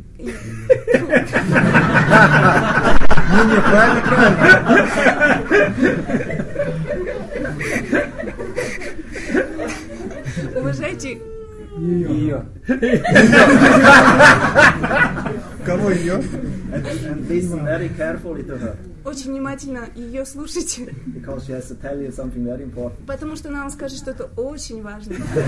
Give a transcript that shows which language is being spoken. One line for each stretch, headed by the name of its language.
Russian: Ну не правильно. Уважайте. Её. Кого её?
English: And listen very carefully to her.
Russian: очень внимательно ее слушайте.
English: Because she has to tell you something very important.
Russian: Потому что она вам скажет что-то очень важное.